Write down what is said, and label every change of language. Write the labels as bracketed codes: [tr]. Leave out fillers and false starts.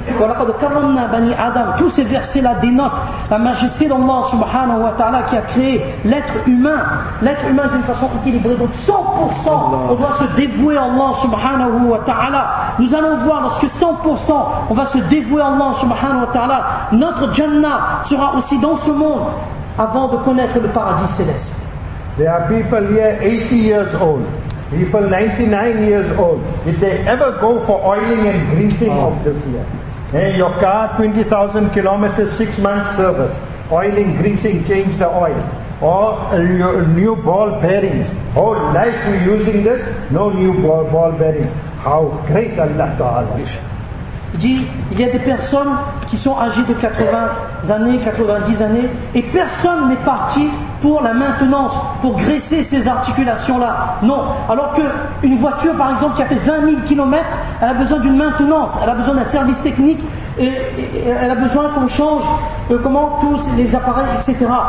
[ar] Wa laqad karramna bani Adam. [fr] Tous ces versets-là dénotent la majesté d'Allah subhanahu wa ta'ala qui a créé l'être humain. L'être humain d'une façon équilibrée. Donc 100% on doit se dévouer à Allah subhanahu wa ta'ala. Nous allons voir lorsque 100% on va se dévouer à Allah subhanahu wa ta'ala, notre Jannah sera aussi dans ce monde avant de connaître le paradis céleste. [en] There are people here 80 years old, people 99 years old. If they ever go for oiling and greasing of this year, hey, your car 20,000 kilometers, 6 months service, oiling, greasing, change the oil, or your new ball bearings, whole life we're using this, no new ball bearings. How great Allah Ta'ala is. [fr] Il dit, il y a des personnes qui sont âgées de 80 années, 90 années, et personne n'est parti pour la maintenance, pour graisser ces articulations-là. Non. Alors qu'une voiture, par exemple, qui a fait 20 000 km, elle a besoin d'une maintenance, elle a besoin d'un service technique, et elle a besoin qu'on change comment tous les appareils, etc.